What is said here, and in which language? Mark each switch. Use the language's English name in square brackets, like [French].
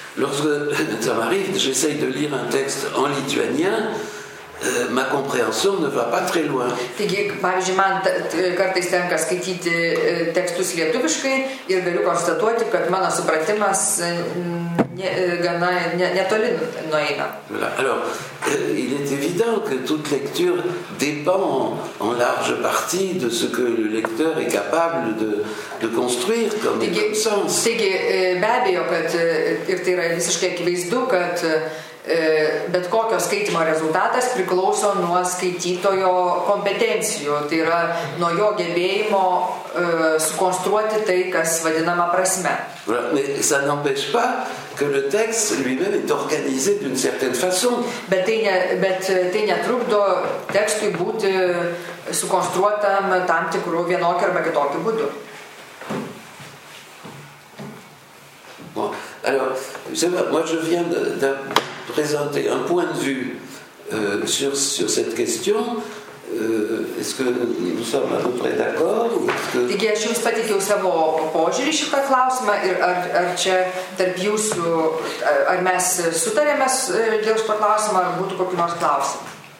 [French] Lorsque ça m'arrive, j'essaye de lire un texte en lituanien, ma compréhension ne va pas très loin. [Lithuanian] Taigi, pavyzdžiui, man kartais tenka skaityti tekstus lietuviškai ir galiu konstatuoti, kad mano supratimas netoli nueina. [French] Alors, il est évident que toute lecture dépend en large partie de ce que le lecteur est capable de construire comme sens. [Lithuanian] Taigi, be abejo, kad ir tai yra visiškai akivaizdu, kad bet kokio skaitymo rezultatas priklauso nuo skaitytojo kompetencijų, tai yra nuo jo gebėjimo sukonstruoti tai, kas vadinama prasme. [French] Ça n'empêche pas que le texte lui-même est organisé d'une certaine façon. [Lithuanian] Bet tai netrukdo tekstui būti sukonstruotam tam tikrų vienokio arba kitokio būdu. [French] Bon. Alors, vous savez, moi je viens de présenter un point de vue sur cette question est-ce que nous sommes à peu près d'accord ou est-ce que... [Lithuanian] Taigi, aš jums pateikiau savo požiūrį šitą klausimą ir ar čia tarp jūsų, ar mes sutarėme dėl šito klausimo, ar būtų kokių nors klausimų.